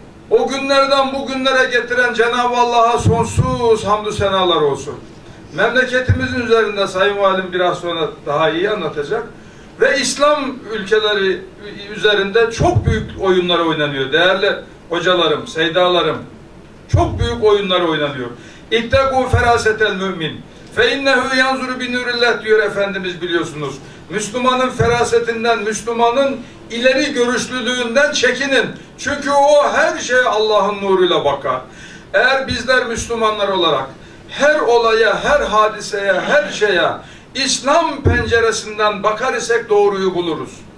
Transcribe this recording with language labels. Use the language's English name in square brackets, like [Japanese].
[Turkish] O günlerden bugünlere getiren Cenab-ı Allah'a sonsuz hamdü senalar olsun. Memleketimizin üzerinde sayın valim biraz sonra daha iyi anlatacak. Ve İslam ülkeleri üzerinde çok büyük oyunlar oynanıyor. Değerli hocalarım, seydalarım, çok büyük oyunlar oynanıyor. [Arabic] İttegû ferasetel mümin. فَاِنَّهُ يَنْزُرُ بِنُورِ اللّٰهِ [Turkish] diyor Efendimiz, biliyorsunuz. Müslümanın ferasetinden, Müslümanın ileri görüşlülüğünden çekinin. Çünkü o her şeye Allah'ın nuruyla bakar. Eğer bizler Müslümanlar olarak her olaya, her hadiseye, her şeye İslam penceresinden bakar isek doğruyu buluruz.